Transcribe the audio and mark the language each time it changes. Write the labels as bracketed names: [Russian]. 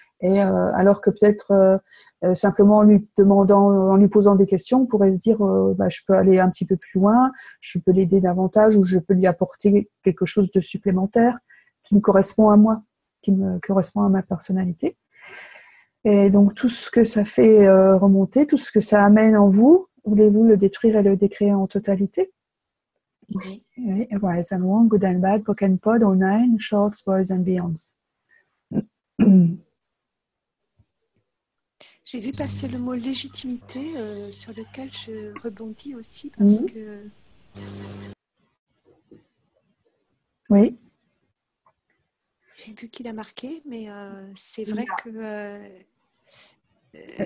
[French] Et alors que peut-être simplement en lui demandant, en lui posant des questions, on pourrait se dire je peux aller un petit peu plus loin, je peux l'aider davantage, ou je peux lui apporter quelque chose de supplémentaire qui me correspond à moi, qui me correspond à ma personnalité. Et donc tout ce que ça fait remonter, tout ce que ça amène en vous, voulez-vous le détruire et le décréer en totalité? Oui. Oui. [English] Right and wrong, good and bad, book and pod, all nine, shorts, boys and beyonds. [French] J'ai vu passer le mot légitimité sur lequel je rebondis aussi parce que... Oui. J'ai vu qu'il a marqué, mais c'est vrai que...